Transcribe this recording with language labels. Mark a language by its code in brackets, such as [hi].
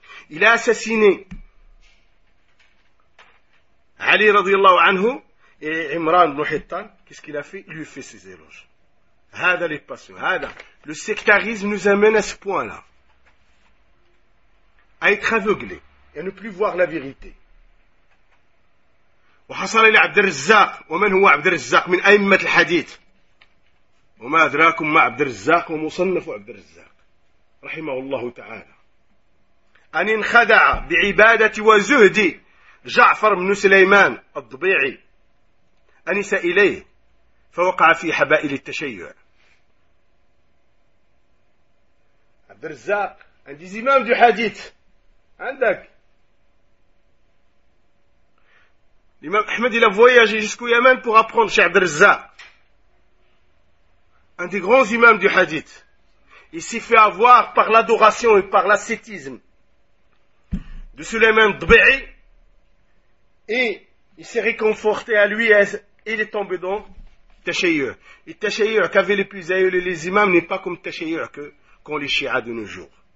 [fr] Il a assassiné Ali radiallahu anhu et Imran ibn Hittan. Qu'est-ce qu'il a fait? Il lui fait ses éloges. Hada les passions. Hada. Le sectarisme nous amène à ce point-là. À être aveuglé et à ne plus voir la vérité. [ar] وحصل إلى عبد الرزاق ومن هو عبد الرزاق من أئمة الحديث وما أدراكم ما عبد الرزاق ومصنف عبد الرزاق رحمه الله تعالى أن انخدع بعبادة وزهد جعفر بن سليمان الضبيعي أنس إليه فوقع في حبائل التشيع عبد الرزاق عند زمام دو حديث عندك [fr] L'imam Ahmed, il a voyagé jusqu'au Yémen pour apprendre chez Abdelrazza, un des grands imams du hadith. Il s'est fait avoir par l'adoration et par l'ascétisme de Suleyman Dbi'i et il s'est réconforté à lui et il est tombé dans Tashayyu. Et Tashayyu qu'avaient les plus aïeux et les imams n'est pas comme Tashayyu qu'ont les chiites de nos jours.